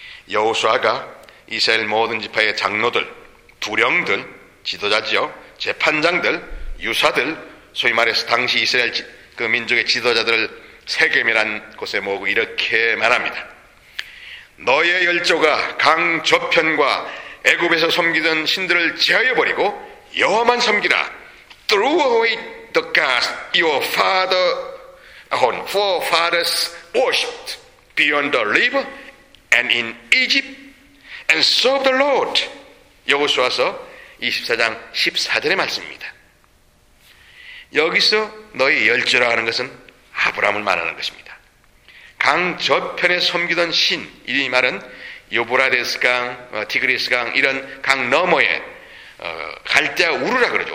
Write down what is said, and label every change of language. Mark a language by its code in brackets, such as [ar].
[ko] 여호수아가 이스라엘 모든 지파의 장로들, 두령들, 지도자지요, 재판장들, 유사들, 소위 말해서 당시 이스라엘 그 민족의 지도자들을 세겜이란 곳에 모으고 이렇게 말합니다. 너의 열조가 강 저편과 애굽에서 섬기던 신들을 제하여버리고 여호와만 섬기라. [en] Throw away the gods your father on forefathers worshipped beyond the river and in Egypt and serve the Lord. [ko] 여호수아서 24장 14절의 말씀입니다. 여기서 너희 열조라 하는 것은 아브라함을 말하는 것입니다. 강 저편에 섬기던 신, 이 말은 유브라데스 강, 티그리스 강 이런 강 너머에 갈대아 우르라 그러죠.